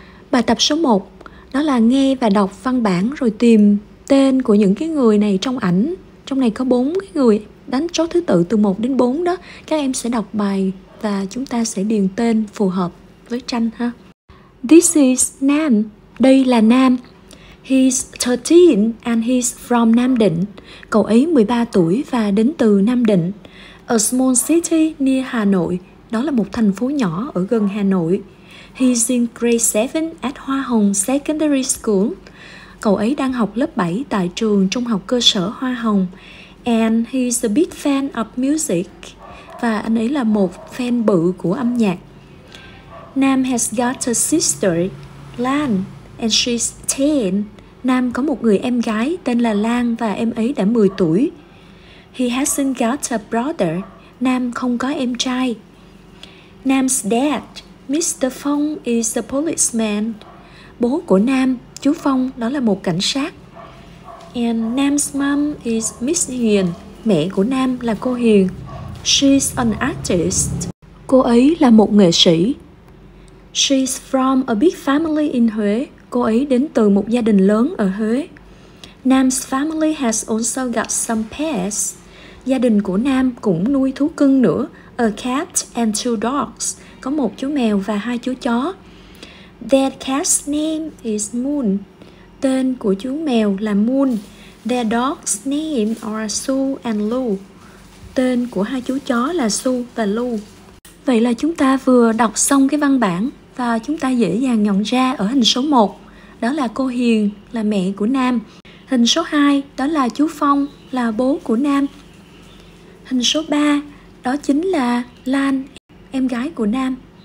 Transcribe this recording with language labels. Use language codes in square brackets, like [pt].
[vi] Bài tập số 1 đó là nghe và đọc văn bản rồi tìm tên của những cái người này trong ảnh. Trong này có 4 cái người đánh số thứ tự từ 1 đến 4 đó. Các em sẽ đọc bài và chúng ta sẽ điền tên phù hợp với tranh ha. [en] This is Nam. [vi] Đây là Nam. [en] He's 13 and he's from Nam Định. [vi] Cậu ấy 13 tuổi và đến từ Nam Định. [en] A small city near Hà Nội. [vi] Đó là một thành phố nhỏ ở gần Hà Nội. [en] He's in grade 7 at Hoa Hồng Secondary School. [vi] Cậu ấy đang học lớp 7 tại trường trung học cơ sở Hoa Hồng. [en] And he's a big fan of music. [vi] Và anh ấy là một fan bự của âm nhạc. [en] Nam has got a sister, Lan, and she's 10. [vi] Nam có một người em gái tên là Lan và em ấy đã 10 tuổi. [en] He hasn't got a brother. [vi] Nam không có em trai. [en] Nam's dad, Mr. Phong, is a policeman. [vi] Bố của Nam, chú Phong, đó là một cảnh sát. [en] And Nam's mom is Miss Hiền. [vi] Mẹ của Nam là cô Hiền. [en] She's an artist. [vi] Cô ấy là một nghệ sĩ. [en] She's from a big family in Huế. [vi] Cô ấy đến từ một gia đình lớn ở Huế. [en] Nam's family has also got some pets. [vi] Gia đình của Nam cũng nuôi thú cưng nữa. [en] A cat and 2 dogs. [vi] Có một chú mèo và 2 chú chó. [en] Their cat's name is Moon. [vi] Tên của chú mèo là Moon. [en] Their dog's name are Sue and Lou. [vi] Tên của 2 chú chó là Sue và Lou. Vậy là chúng ta vừa đọc xong cái văn bản và chúng ta dễ dàng nhận ra ở hình số 1. Đó là cô Hiền, là mẹ của Nam. Hình số 2, đó là chú Phong, là bố của Nam. Hình số 3, đó chính là Lan, em gái của Nam.